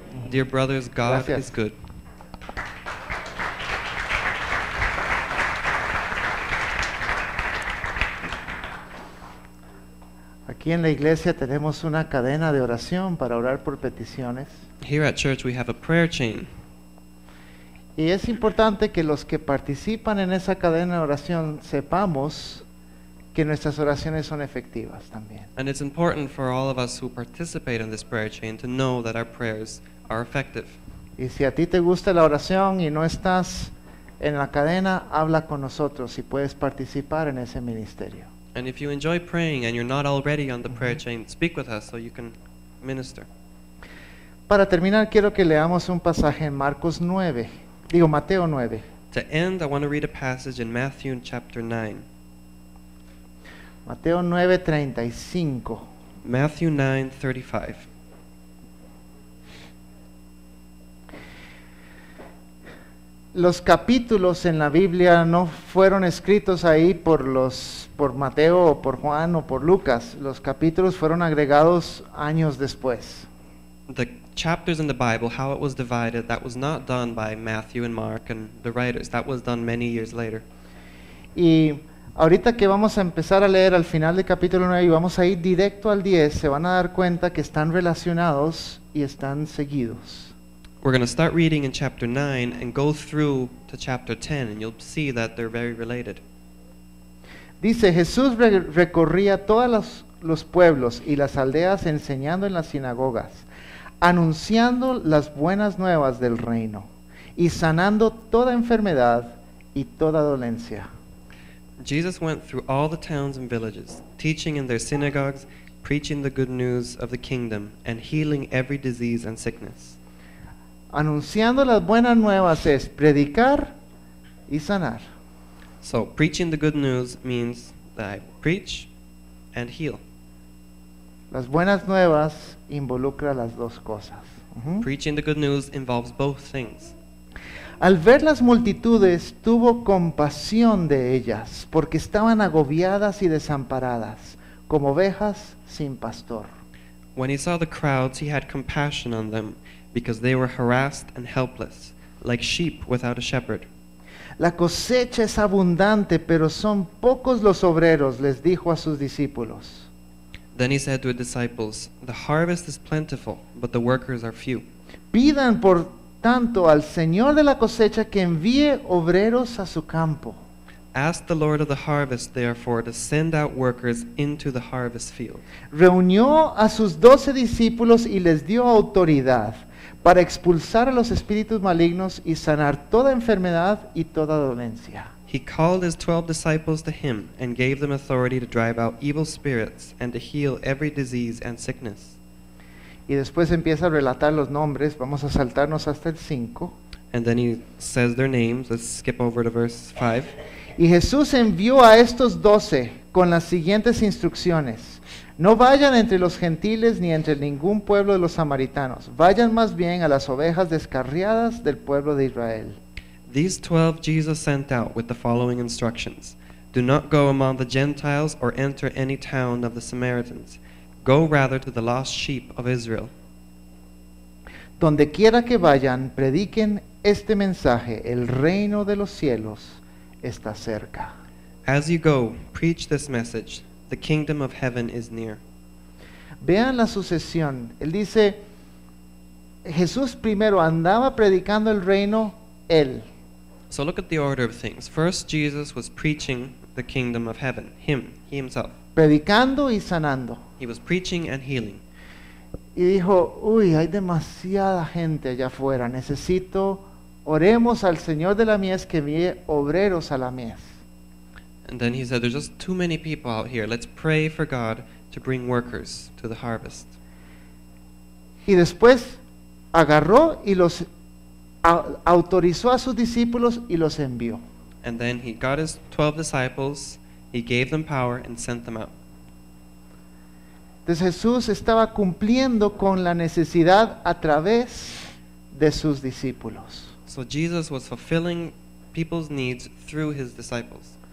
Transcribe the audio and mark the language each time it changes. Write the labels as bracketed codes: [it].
[en] Dear brothers, God [es] Gracias. [en] Is good. [es] Aquí en la iglesia tenemos una cadena de oración para orar por peticiones. [en] Here at church we have a prayer chain. [es] Y es importante que los que participan en esa cadena de oración sepamos que nuestras oraciones son efectivas también. [en] And it's important for all of us who participate in this prayer chain to know that our prayers are effective. [es] Y si a ti te gusta la oración y no estás en la cadena, habla con nosotros y puedes participar en ese ministerio. [en] And if you enjoy praying and you're not already on the prayer chain, speak with us so you can minister. [es] Para terminar, quiero que leamos un pasaje en Mateo 9. [en] To end, I want to read a passage in Matthew chapter 9. [es] Mateo 9:35. [en] Matthew 9:35. [es] Los capítulos en la Biblia no fueron escritos ahí por Mateo o por Juan o por Lucas. Los capítulos fueron agregados años después. [en] The chapters in the Bible, how it was divided, that was not done by Matthew and Mark and the writers. That was done many years later. [es] Y ahorita que vamos a empezar a leer al final del capítulo 9 y vamos a ir directo al 10, se van a dar cuenta que están relacionados y están seguidos. [en] We're going to start reading in chapter 9 and go through to chapter 10 and you'll see that they're very related. [es] Dice, Jesús recorría todos los pueblos y las aldeas enseñando en las sinagogas, anunciando las buenas nuevas del reino y sanando toda enfermedad y toda dolencia. [en] Jesus went through all the towns and villages, teaching in their synagogues, preaching the good news of the kingdom, and healing every disease and sickness. [es] Anunciando las buenas nuevas es predicar y sanar. [en] So preaching the good news means that I preach and heal. [es] Las buenas nuevas involucra las dos cosas. Uh-huh. [en] Preaching the good news involves both things. [es] Al ver las multitudes, tuvo compasión de ellas, porque estaban agobiadas y desamparadas, como ovejas sin pastor. [en] When he saw the crowds, he had compassion on them, because they were harassed and helpless, like sheep without a shepherd. [es] La cosecha es abundante, pero son pocos los obreros, les dijo a sus discípulos. [en] Then he said to his disciples, the harvest is plentiful, but the workers are few. [es] Pidan por tanto al Señor de la cosecha que envíe obreros a su campo. [en] Ask the Lord of the harvest, therefore, to send out workers into the harvest field. [es] Reunió a sus 12 discípulos y les dio autoridad para expulsar a los espíritus malignos y sanar toda enfermedad y toda dolencia. [en] He called his 12 disciples to him and gave them authority to drive out evil spirits and to heal every disease and sickness. [es] Y después empieza a relatar los nombres. Vamos a saltarnos hasta el 5. [en] And then he says their names. Let's skip over to verse 5. [es] Y Jesús envió a estos 12 con las siguientes instrucciones. No vayan entre los gentiles ni entre ningún pueblo de los samaritanos. Vayan más bien a las ovejas descarriadas del pueblo de Israel. [en] These 12 Jesus sent out with the following instructions. Do not go among the Gentiles or enter any town of the Samaritans. Go rather to the lost sheep of Israel. [es] Donde quiera que vayan, prediquen este mensaje. El reino de los cielos está cerca. [en] As you go, preach this message. The kingdom of heaven is near. [es] Vean la sucesión. Él dice, Jesús primero andaba predicando el reino, él. [en] So look at the order of things. First, Jesus was preaching the kingdom of heaven, himself. [es] Predicando y sanando. [en] He was preaching and healing. [es] Y dijo, uy, hay demasiada gente allá afuera. Necesito, oremos al Señor de la mies que envíe obreros a la mies. [en] And then he said, there's just too many people out here. Let's pray for God to bring workers to the harvest. [es] Y después agarró y los autorizó a sus discípulos y los envió. [en] And then he got his 12 disciples, he gave them power and sent them out. [es] Entonces Jesús estaba cumpliendo con la necesidad a través de sus discípulos. [en] So Jesus was fulfilling people's needs through his disciples.